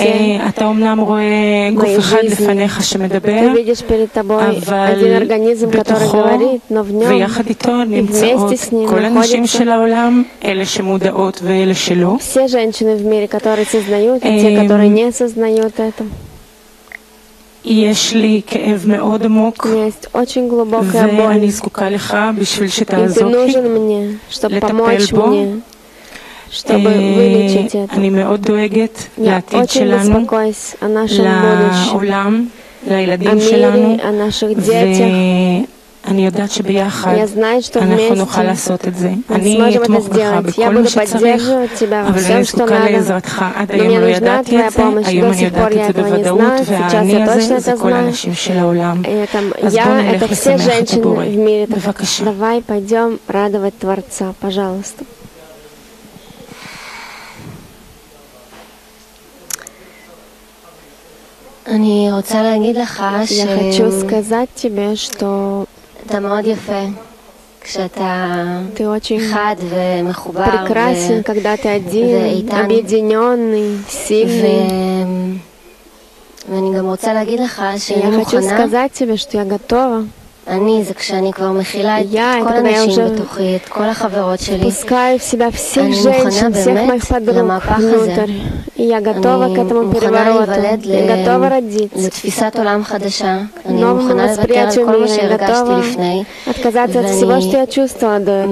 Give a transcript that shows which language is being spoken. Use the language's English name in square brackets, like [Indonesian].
[Russian] мои жизни. Ты видишь перед тобой один организм, который говорит, но в нем и вместе с ним находятся все женщины в мире, которые сознают, и те, которые не сознают это. [Hebrew] יש לי כאב מאוד עמוק, ואני זקוקה לך בשביל שתעזור לי לטפל בו. [Russian] Чтобы вылечить это. Я очень беспокоюсь о нашем будущем, о мире, о наших детях. Я знаю, что вместе мы сможем это сделать. Я буду поддерживать тебя во всем, что надо. Но мне нужна твоя помощь. До сих пор я этого не знаю. Сейчас я точно это знаю. Это все женщины в мире. Так, давай пойдем радовать Творца. Пожалуйста. [Hebrew] אני רוצה להגיד לך ש... [Russian] я хочу сказать тебе, что... [Hebrew] אתה מאוד יפה כשאתה... [Russian] ты очень [Hebrew] חד ומחובר [Russian] прекрасен, когда ты один, объединенный, сильный. [Hebrew] ואני גם רוצה להגיד לך שאני מוכנה... [Russian] я хочу сказать тебе, что я готова. [Hebrew] אני, זה כשאני כבר מכילה את כל הנשים בתוכי, את כל החברות שלי. [Russian] Пускаю в себя всех женщин, всех моих подруг внутрь. И я готова к этому перевороту. Я готова родиться. [Hebrew] לתפיסת עולם חדשה. אני מוכנה לוותר על כל מה שהרגשתי לפני. [Russian] Отказаться от всего, что я чувствовала до этого.